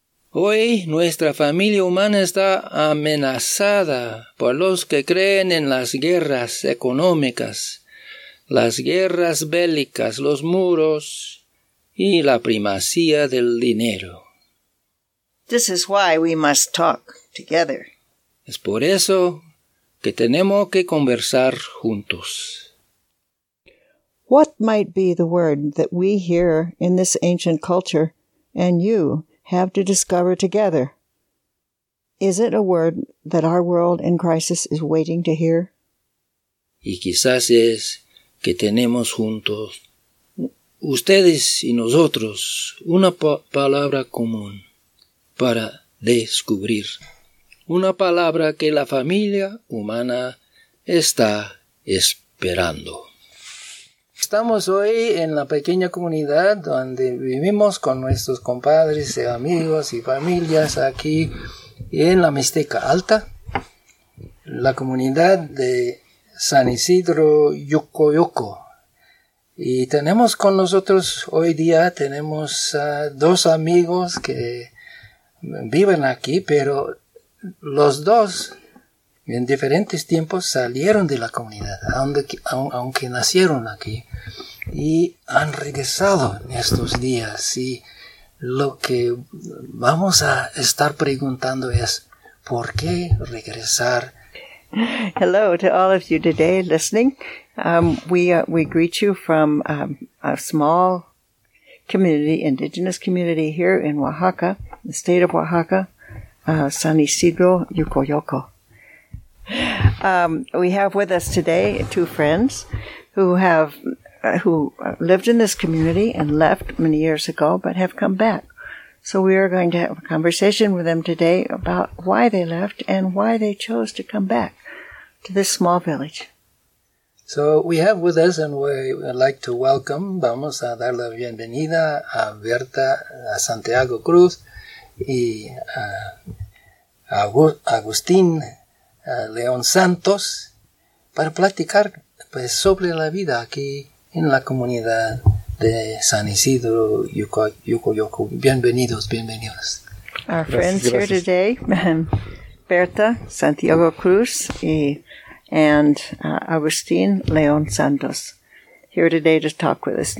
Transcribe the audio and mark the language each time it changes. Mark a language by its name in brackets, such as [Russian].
[Spanish] Hoy nuestra familia humana está amenazada por los que creen en las guerras económicas, las guerras bélicas, los muros y la primacía del dinero. [English] This is why we must talk together. [Spanish] Es por eso que tenemos que conversar juntos. [English] What might be the word that we hear in this ancient culture and you have to discover together? Is it a word that our world in crisis is waiting to hear? [Spanish] Y quizás es que tenemos juntos, ustedes y nosotros, una palabra común para descubrir. Una palabra que la familia humana está esperando. Estamos hoy en la pequeña comunidad donde vivimos con nuestros compadres, amigos y familias aquí en la Mixteca Alta, la comunidad de San Isidro Yukuyoko. Y tenemos con nosotros hoy día, tenemos dos amigos que viven aquí, pero los dos en diferentes tiempos salieron de la comunidad, aunque nacieron aquí, y han regresado en estos días. Y lo que vamos a estar preguntando es, ¿por qué regresar? [English] Hello to all of you today listening. We greet you from a small community, indigenous community here in Oaxaca, the state of Oaxaca, San Isidro Yukuyoko. We have with us today two friends who lived in this community and left many years ago, but have come back. So we are going to have a conversation with them today about why they left and why they chose to come back to this small village. So we have with us, and we would like to welcome, [Spanish] vamos a dar la bienvenida a Berta, a Santiago Cruz, y a Agustín León Santos, para platicar pues, sobre la vida aquí en la comunidad de San Isidro, Yucoyoco. Bienvenidos, bienvenidos. [English] Our friends here today, Berta Santiago Cruz and Agustin León Santos, here today to talk with us.